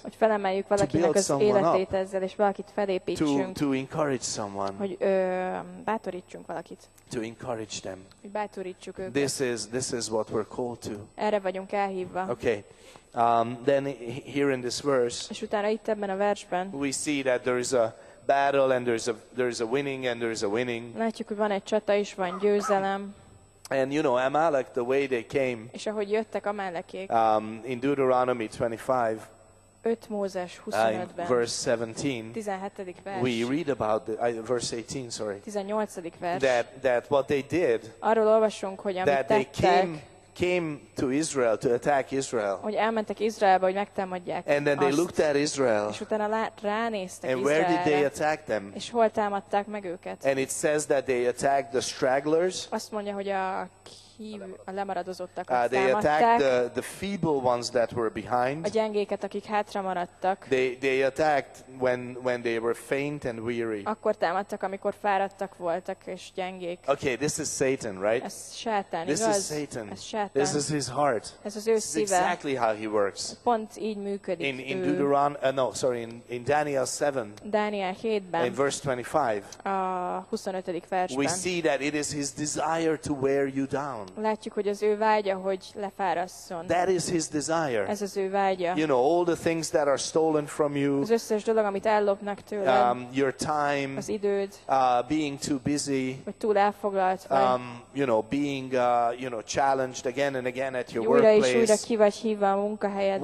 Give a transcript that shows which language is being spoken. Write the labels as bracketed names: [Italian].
[Hungarian] Hogy felemeljük valakinek az életét ezzel, és valakit felépítsünk. [English] To encourage someone. [Hungarian] Hogy bátorítsunk valakit. [English] To encourage them. [Hungarian] Hogy bátorítsuk őket. [English] This is what we're called to. [Hungarian] Erre vagyunk elhívva. [English] Okay. Then here in this verse. [Hungarian] És utána itt ebben a versben. [English] We see that there is a battle and there is a winning and there is a winning. [Hungarian] Látjuk, hogy van egy csata és van győzelem. [English] And you know, Amalek, the way they came. [Hungarian] És ahogy jöttek Amalekék. [English] In Deuteronomy 25. [Hungarian] 5 Mózes 25-ben. [English] Verse 17. [Hungarian] 17. vers. [English] We read about the verse 18, sorry. [Hungarian] 18. vers. [English] That what they did. [Hungarian] Arról olvasunk, hogy amit tettek. [English] That they came to Israel to attack Israel. [Hungarian] Hogy elmentek Izraelbe, hogy megtámadják. [English] And then they looked at Israel. [Hungarian] És utána ránéztek Izraelre. [English] And where did they attack them? [Hungarian] És hol támadták meg őket? [English] And it says that they attacked the stragglers. [Hungarian] Azt mondja, hogy a hívő, a lemaradozottakat támadták. [English] They attacked the feeble ones that were behind. [Hungarian] A gyengéket, akik hátra maradtak. [English] They attacked when they were faint and weary. [Hungarian] Akkor támadtak, amikor fáradtak voltak és gyengék. [English] Okay, this is Satan, right? [Hungarian] Ez Sátán, [English] this [Hungarian] igaz? [English] Is Satan. [Hungarian] Ez Sátán. [English] This is his heart. [Hungarian] Ez az ő [English] this [Hungarian] szíve. [English] Is exactly how he works. [Hungarian] Pont így működik. [English] In in Daniel 7. [Hungarian] Daniel 7-ben. [English] In verse 25. [Hungarian] A 25. versben. [English] We see that it is his desire to wear you down. [Hungarian] Látjuk, hogy az ő vágya, hogy lefárasszon. [English] That is his desire. [Hungarian] Ez az ő vágya. [English] You know, all the things that are stolen from you. [Hungarian] Az összes dolog, amit ellopnak tőled. [English] Your time. [Hungarian] Az időd. [English] Being too busy. [Hungarian] Vagy túl elfoglalt vagy. [English] Being challenged again and again at your [Hungarian] újra [English] workplace. [Hungarian] Újra és újra ki vagy hívva a munkahelyeden.